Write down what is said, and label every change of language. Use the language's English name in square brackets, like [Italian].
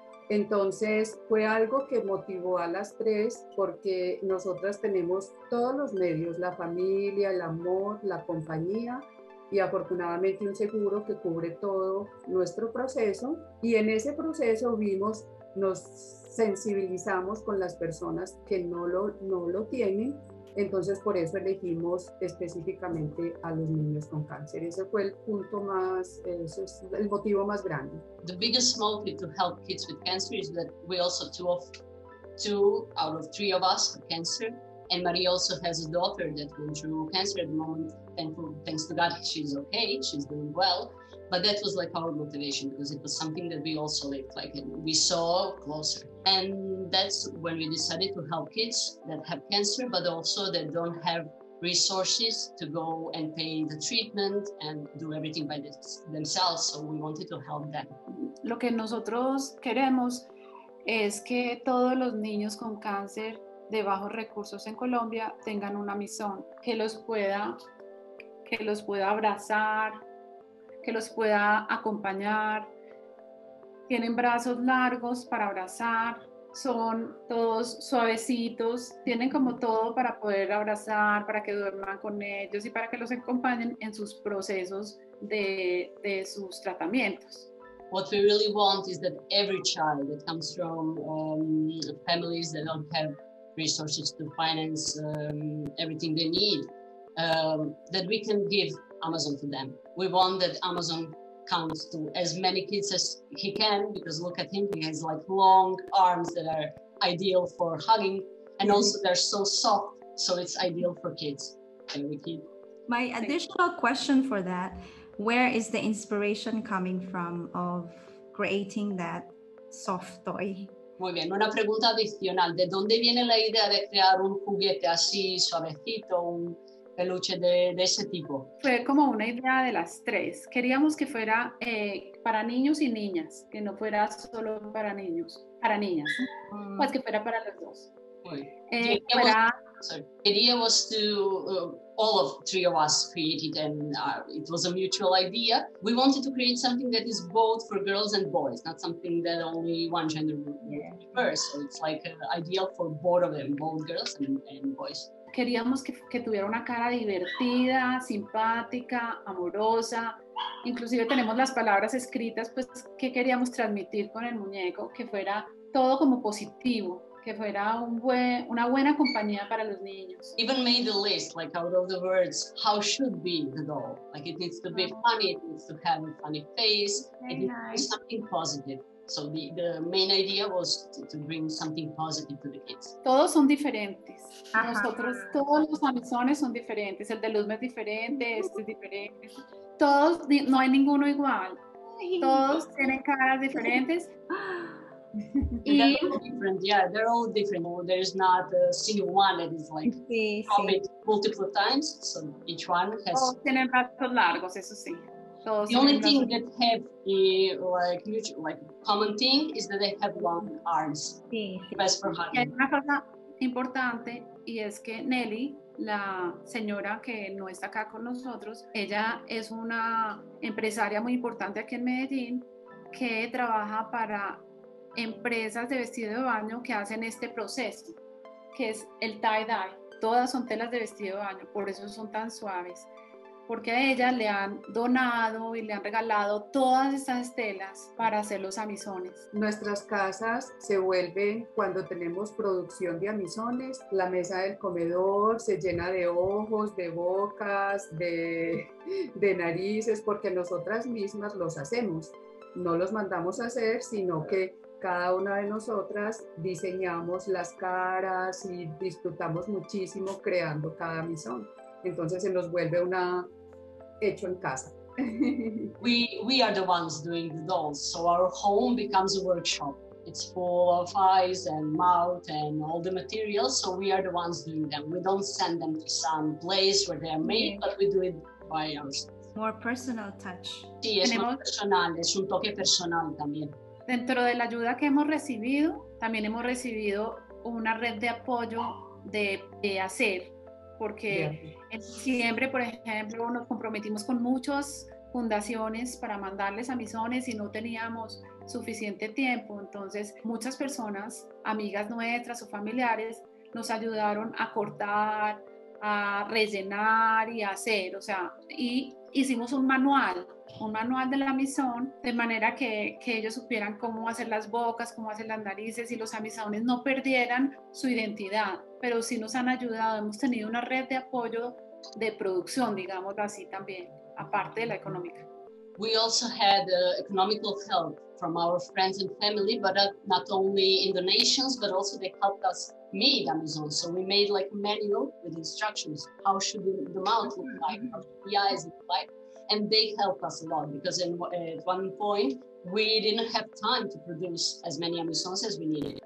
[Spanish] Entonces fue algo que motivó a las tres, porque nosotras tenemos todos los medios, la familia, el amor, la compañía y afortunadamente un seguro que cubre todo nuestro proceso. Y en ese proceso vimos, nos sensibilizamos con las personas que no lo tienen. Entonces por eso elegimos específicamente a los niños con cáncer. Ese fue el punto más, ese es el motivo más grande. [English] The biggest motive to help kids with cancer is that we also two out of three of us have cancer, and Maria also has a daughter that went through cancer at the moment. Thanks to God, she's okay, she's doing well. But that was like our motivation, because it was something that we also lived, like, and we saw closer. And that's when we decided to help kids that have cancer, but also that don't have resources to go and pay the treatment and do everything by themselves. So we wanted to help them. [Spanish] Lo que nosotros queremos es que todos los niños con cáncer de bajos recursos en Colombia tengan una misión que los pueda abrazar, que los pueda acompañar. Tienen brazos largos para abrazar, son todos suavecitos, tienen como todo para poder abrazar, para que duerman con ellos y para que los acompañen en sus procesos de sus tratamientos. [English] What we really want is that every child that comes from families that don't have resources to finance everything they need, that we can give Amazon to them. We want that Amazon comes to as many kids as he can, because look at him, he has like long arms that are ideal for hugging, and also they're so soft, so it's ideal for kids. Can we keep? My additional question for that, where is the inspiration coming from of creating that soft toy? [Spanish] Muy bien, una pregunta adicional. ¿De dónde viene la idea de crear un juguete así suavecito, un peluche de ese tipo? Fue como una idea de las tres. Queríamos que fuera para niños y niñas, que no fuera solo para niños, para niñas, pues que fuera para los dos. [English] The idea was to all of three of us created, and it was a mutual idea. We wanted to create something that is both for girls and boys, not something that only one gender prefers. So it's like an ideal for both of them, both girls and boys. [Spanish] Queríamos que tuviera una cara divertida, simpática, amorosa. Inclusive tenemos las palabras escritas, pues, que queríamos transmitir con el muñeco, que fuera todo como positivo, que fuera una buena compañía para los niños. [English] Even made a list, like out of the words, how should be the doll. Like it needs to be funny, it needs to have a funny face, very it needs nice. To be something positive. So the main idea was to bring something positive to the kids. [Spanish] Todos son diferentes. Uh-huh. Nosotros, todos los amizones son diferentes. El de Luzma es diferente, este es diferente. Todos, no hay ninguno igual. Todos tienen caras diferentes. [English] They're all different. Yeah, they're all different. There's not a single one that is like copied multiple times. So each one has. [Spanish] Todos tienen brazos largos, eso sí. [English] The only thing that have a like huge, like common thing is that they have long arms. [Spanish] Sí, sí. [English] Best for hugging. [Spanish] Y hay una cosa importante, y es que Nelly, la señora que no está acá con nosotros, ella es una empresaria muy importante aquí en Medellín que trabaja para empresas de vestido de baño que hacen este proceso, que es el tie-dye. Todas son telas de vestido de baño, por eso son tan suaves, porque a ella le han donado y le han regalado todas estas telas para hacer los amisones. Nuestras casas se vuelven, cuando tenemos producción de amisones, la mesa del comedor se llena de ojos, de bocas, de narices, porque nosotras mismas los hacemos. No los mandamos a hacer, sino que cada una de nosotras diseñamos las caras y disfrutamos muchísimo creando cada misón. Entonces se nos vuelve una hecho en casa. [English] We are the ones doing the dolls, so our home becomes a workshop. It's full of eyes and mouth and all the materials, so we are the ones doing them. We don't send them to some place where they are made, but we do it by ourselves. More personal touch. [Spanish] Sí, es más personal, es un toque personal también. Dentro de la ayuda que hemos recibido, también hemos recibido una red de apoyo de hacer, porque en diciembre, por ejemplo, nos comprometimos con muchas fundaciones para mandarles amisones y no teníamos suficiente tiempo. Entonces, muchas personas, amigas nuestras o familiares, nos ayudaron a cortar, a rellenar y a hacer, o sea, y hicimos un manual de la misón, de manera que ellos supieran cómo hacer las bocas, cómo hacer las narices, y los amisones no perdieran su identidad, pero sí nos han ayudado. Hemos tenido una red de apoyo de producción, digámoslo así, también, aparte de la económica. [English] We also had economical help from our friends and family, but not only in donations, but also they helped us made amisons. So we made like a manual with instructions, how should the mouth look like, how should the eyes look like, and they helped us a lot, because at one point we didn't have time to produce as many amisons as we needed.